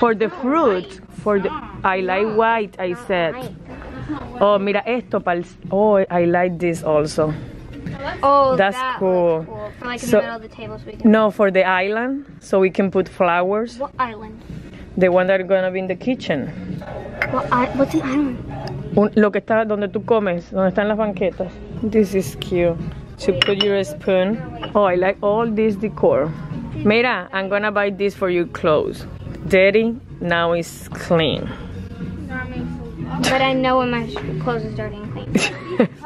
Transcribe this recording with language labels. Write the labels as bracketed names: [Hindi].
[English] For the fruit. White. For the. I like white, I not said. White. Oh, [Spanish] mira esto. [English] Oh, I like this also. Oh, that's that cool. Cool. For like the so, middle of the table so we can. No, for the island so we can put flowers. What island? The one that's gonna be in the kitchen. What's the island? [Spanish] Lo que está donde tú comes, donde están las banquetas. [English] This is cute. To put your spoon. Oh, I like all this decor. [Spanish] Mira, [English] I'm gonna buy this for your clothes. Daddy, now it's clean. But I know when my clothes are dirty and clean.